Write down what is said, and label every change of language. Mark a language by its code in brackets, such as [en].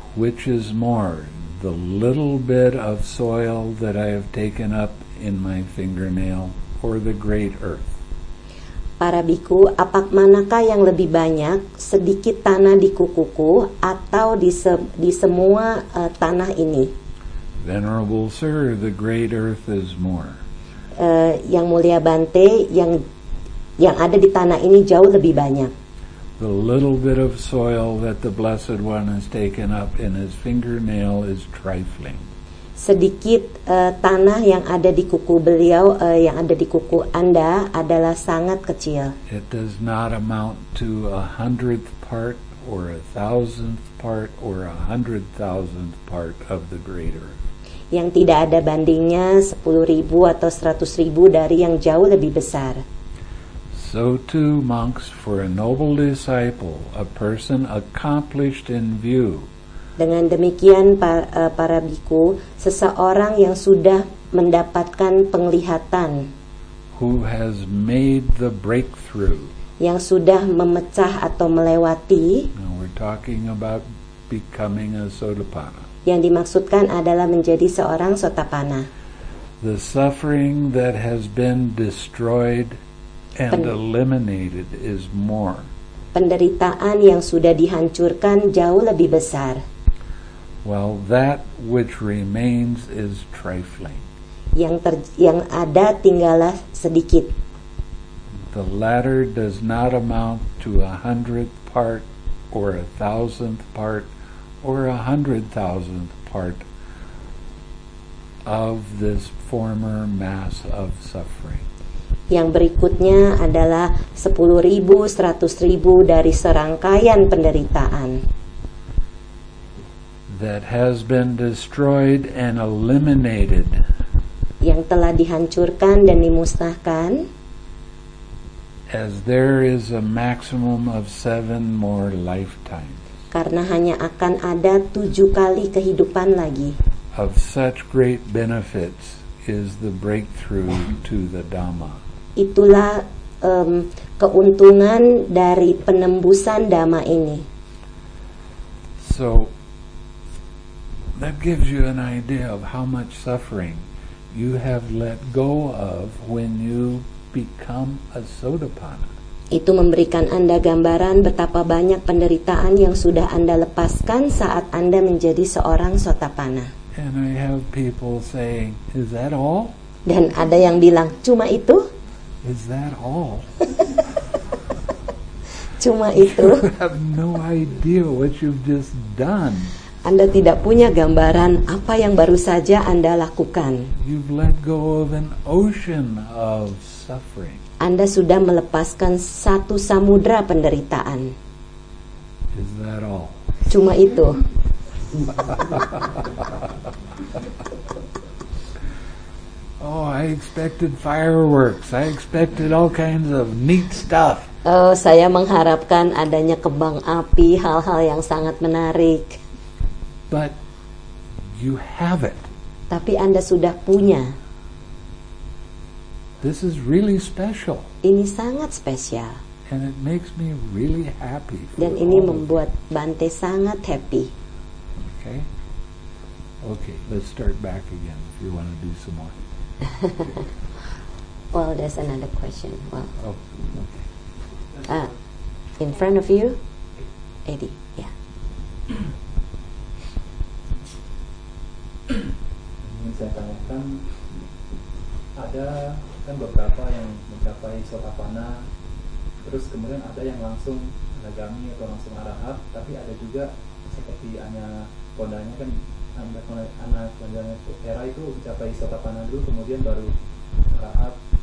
[en] Which is more, the little bit of soil that I have taken up in my fingernail or the great earth? [id] Para bhikkhu, apak manakah yang lebih banyak, sedikit tanah di kukuku atau di semua tanah ini? [en] Venerable sir, the great earth is more. [id] Yang mulia Bante, yang ada di tanah ini jauh lebih banyak. [en] The little bit of soil that the Blessed One has taken up in his fingernail is trifling. [id] Sedikit tanah yang ada di kuku beliau, yang ada di kuku Anda, adalah sangat kecil. [en] It does not amount to a hundredth part or a thousandth part or a hundred thousandth part of the greater. [id] Yang tidak ada bandingnya 10.000 atau 100.000 dari yang jauh lebih besar. [en] So too, monks, for a noble disciple, a person accomplished in view. [id] Dengan demikian, para bhikkhu, seseorang yang sudah mendapatkan penglihatan, [en] who has made the breakthrough, [id] yang sudah memecah atau melewati, [en] and we're talking about becoming a sotapanna, [id] yang dimaksudkan adalah menjadi seorang sotapanna, [en] the suffering that has been destroyed and eliminated is more. [id] Penderitaan yang sudah dihancurkan jauh lebih besar. [en] Well, that which remains is trifling. [id] Yang ada tinggallah sedikit. [en] The latter does not amount to a hundredth part or a thousandth part or a hundred thousandth part of this former mass of suffering. [id] Yang berikutnya adalah 10.000, 100.000 dari serangkaian penderitaan. [en] That has been destroyed and eliminated. [id] Yang telah dihancurkan dan dimusnahkan. [en] As there is a maximum of 7 more lifetimes. [id] Karena hanya akan ada 7 kali kehidupan lagi. [en] Of such great benefits is the breakthrough to the Dhamma. [id] Itulah keuntungan dari penembusan Dhamma ini. [en] So that gives you an idea of how much suffering you have let go of when you become a sotapanna. [id] Itu memberikan Anda gambaran betapa banyak penderitaan yang sudah Anda lepaskan saat Anda menjadi seorang sotapanna. [en] And I have people saying, "Is that all?" [id] Dan ada yang bilang, "Cuma itu?" [en] Is that all? [id] Cuma itu? [en] You have no idea what you've just done. [id] Anda tidak punya gambaran apa yang baru saja Anda lakukan. [en] You've let go of an ocean of suffering. [id] Anda sudah melepaskan satu samudra penderitaan. [en] Is that all? [id] Cuma itu. [en] Oh, I expected fireworks. I expected all kinds of neat stuff. [id] Oh, saya mengharapkan adanya kembang api, hal-hal yang sangat menarik. [en] But you have it. [id] Tapi Anda sudah punya. [en] This is really special. [id] Ini sangat spesial. [en] And it makes me really happy. [id] Dan ini membuat Bante sangat happy. [en] Okay. Okay, let's start back again if you want to do some more. Well, there's another question. Well, oh, okay. In front of you, Eddie, yeah. [id] Ingin saya tanyakan, ada kan beberapa yang mencapai sotapanna, terus kemudian ada yang langsung anagami atau langsung arahat, tapi ada juga seperti Anya Kondanya kan, anak Kondanya era itu mencapai sotapanna dulu kemudian baru arahat.